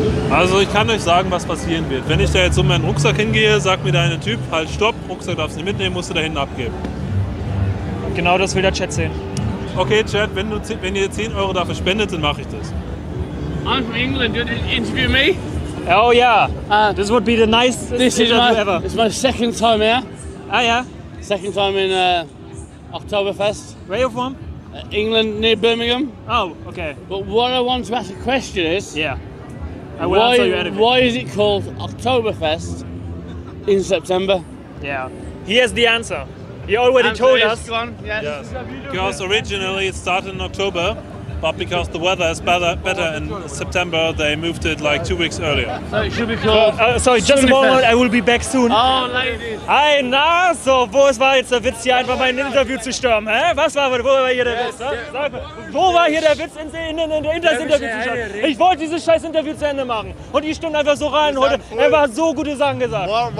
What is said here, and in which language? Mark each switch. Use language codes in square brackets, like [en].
[de] Also ich kann euch sagen, was passieren wird. Wenn ich da jetzt um meinen Rucksack hingehe, sagt mir der eine Typ, halt stopp, Rucksack darfst du nicht mitnehmen, musst du da hinten abgeben. Genau das will der Chat sehen. Okay, Chat, wenn ihr 10 Euro dafür spendet, dann mache ich das. [en] I'm from England, you didn't interview me? Oh yeah, this would be the nicest interview ever. This is my second time here. Ah yeah? Second time in Oktoberfest. Where are you from? England, near Birmingham. Oh, okay. But what I want to ask a question is... Yeah. Why is it called Oktoberfest in September? Yeah. He has the answer. He already told us. Yes. Because originally it started in October, but because the weather is better in September, they moved it like 2 weeks earlier. So it should be called. Sorry, just a moment, I will be back soon. Oh, ladies. [de] Hi, na, so, wo war jetzt der Witz, hier einfach mein Interview zu stürmen? Hä? Was war, wo war hier der Witz? Sag mal, wo war hier der Witz, in das Interview zu stürmen? Ich wollte dieses scheiß Interview zu Ende machen. Und die stürmen einfach so rein. Heute, er war so gute Sachen gesagt.